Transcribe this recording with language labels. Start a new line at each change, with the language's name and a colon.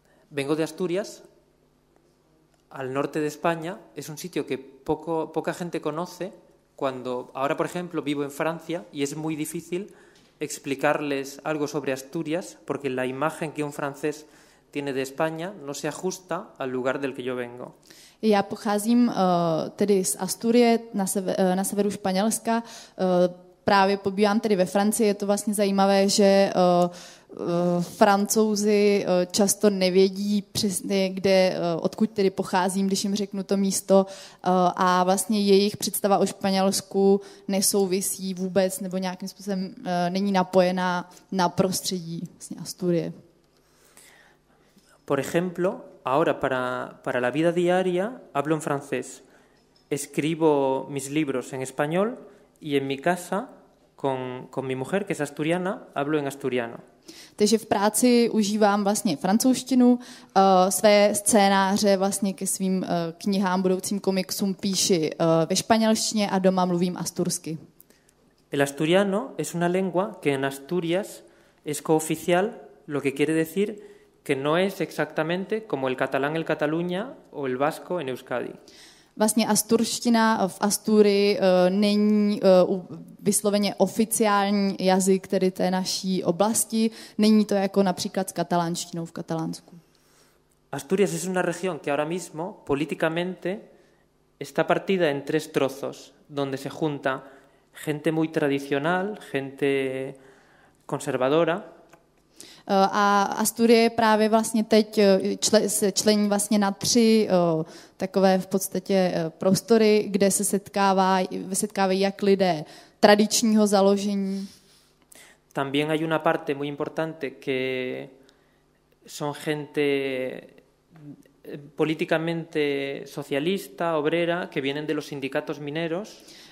Spanish: Vengo de Asturias, al norte de España. Es un sitio que poca gente conoce. Cuando ahora, por ejemplo, vivo en Francia y es muy difícil explicarles algo sobre Asturias porque la imagen que un francés tiene de España no se ajusta al lugar del que yo vengo.
Czech: Já pocházím tedy z Asturie na severu Španělska. Právě pobývám tedy ve Francii. Je to vlastně zajímavé, že Francouzi často nevědí přesně, kde, odkud tedy pocházím, když jim řeknu to místo, a vlastně jejich představa o Španělsku nesouvisí vůbec nebo nějakým způsobem není napojená na prostředí vlastně Asturie.
Spanish: Por ejemplo, ahora para la vida diaria hablo en francés. Escribo mis libros en español y en mi casa con mi mujer, que es asturiana, hablo en asturiano.
Czech: Takže v práci užívám vlastně francouzštinu, své scénáře vlastně ke svým knihám, budoucím komiksům píši ve španělštině a doma mluvím astursky.
Spanish: El asturiano es una lengua que en Asturias es cooficial, lo que quiere decir que no es exactamente como el catalán en Cataluña o el vasco en Euskadi.
Czech: Vlastně asturština v Asturii není vysloveně oficiální jazyk tedy té naší oblasti. Není to jako například s katalánštinou v Katalánsku.
Spanish: Asturias es una región que ahora mismo políticamente está partida en tres trozos, donde se junta gente muy tradicional, gente conservadora.
Czech: A Asturie právě vlastně teď se člení vlastně na tři takové v podstatě prostory, kde se setkávají jak lidé tradičního založení.
Spanish: También hay una parte muy importante que son gente políticamente socialista, obrera, que vienen de los sindicatos mineros.